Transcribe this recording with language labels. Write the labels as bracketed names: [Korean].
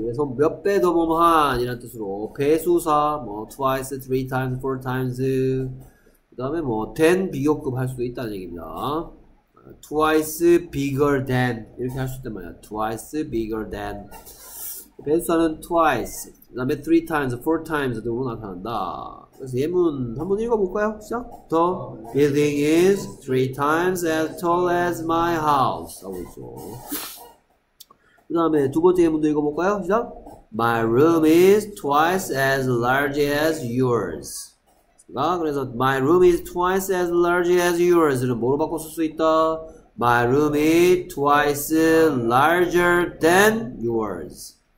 [Korean] 그래서 몇배더 범한이란 뜻으로 배수사 뭐 twice, three times, four times 그다음에 뭐 than 비교급 할 수도 있다는 얘기입니다. twice bigger than 이렇게 할수 있단 말이야. twice bigger than 배수사는 twice, 그다음에 three times, four times 등으로 나타난다. 그래서 예문 한번 읽어볼까요? 시작! [English] The building is three times as tall as my house. [Korean] 하고 있어. 그 다음에 두 번째 예문도 읽어볼까요? [English] 시작! My room is twice as large as yours. [Korean] 그래서 [English] My room is twice as large as yours [Korean] 는 뭐로 바꿔 쓸수 있다? [English] My room is twice larger than yours.